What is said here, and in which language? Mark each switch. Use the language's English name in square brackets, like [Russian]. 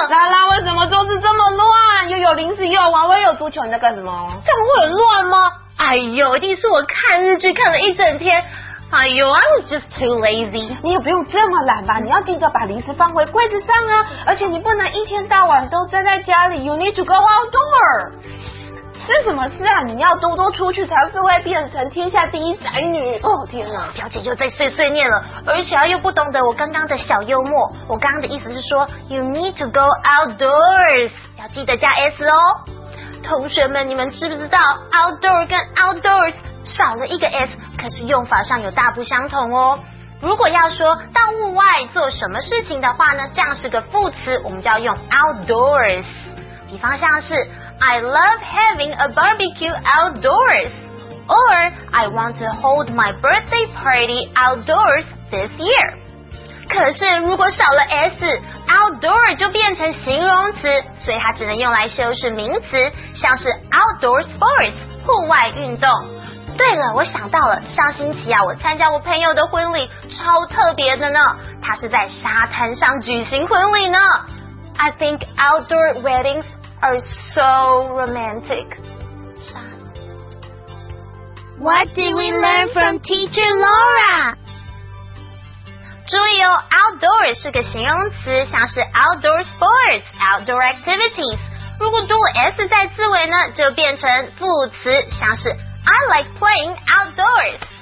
[Chinese] 拉拉，为什么桌子这么乱？又有零食，又有娃娃，又有足球，你在干什么？这不会很乱吗？哎呦，一定是我看日剧看了一整天。 [English] 哎呦 ，I'm just too lazy。 [Chinese] 你也不用这么懒吧？你要记得把零食放回柜子上啊！而且你不能一天到晚都站在家里 ， [English] You need to go outdoor。 [Chinese] 是什么事啊？你要多多出去，才会变成天下第一宅女。哦天哪，表姐又在碎碎念了，而且又不懂得我刚刚的小幽默。我刚刚的意思是说 ， [English] You need to go outdoors， [Chinese] 要记得加 s 哦。同学们，你们知不知道 outdoor 跟 outdoors 少了一个 s， 可是用法上有大不相同哦。如果要说到户外做什么事情的话呢，这样是个副词，我们就要用 outdoors。比方像是 [English] I love having a barbecue outdoors or I want to hold my birthday party outdoors this year. [Chinese] 可是如果少了 S, outdoor 就变成形容词，所以它只能用来修饰名词，像是 outdoor sports 户外运动。对了，我想到了，上星期啊，我参加我朋友的婚礼，超特别的呢，它是在沙滩上举行婚礼呢。 [English] I think outdoor weddings are so romantic. What did we learn from teacher Laura? [Chinese] 注意哦， outdoor 是个形容词，像是 outdoor sports, outdoor activities. 如果读 S 在字尾呢，就变成副词，像是 [English] I like playing outdoors.